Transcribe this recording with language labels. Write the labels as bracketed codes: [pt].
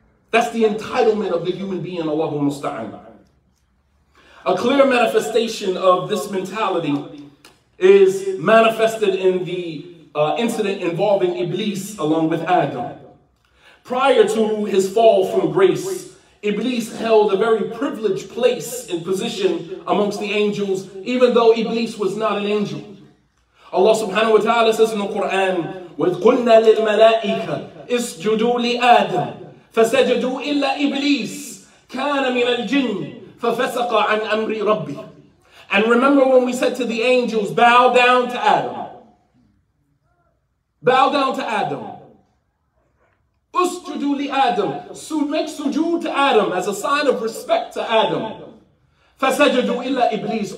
[en] That's the entitlement of the human being, Allahu Musta'an. A clear manifestation of this mentality is manifested in the incident involving Iblis along with Adam. Prior to his fall from grace, Iblis held a very privileged place and position amongst the angels, even though Iblis was not an angel. Allah subhanahu wa ta'ala says in the Quran, [ar] وَقُلْنَا لِلْمَلَائِكَ اسْجُدُوا لِآدَمْ فَسَجَدُوا إِلَّا إِبْلِيسِ كَانَ مِنَ الْجِنِّ فَفَسَقَ عَنْ أَمْرِ رَبِّهِ. [en] And remember when we said to the angels, bow down to Adam. Bow down to Adam. [ar] اسْجُدُوا لِآدَمْ. [en] Make sujood to Adam as a sign of respect to Adam. [ar] فَسَجَدُوا إِلَّا إِبْلِيسِ.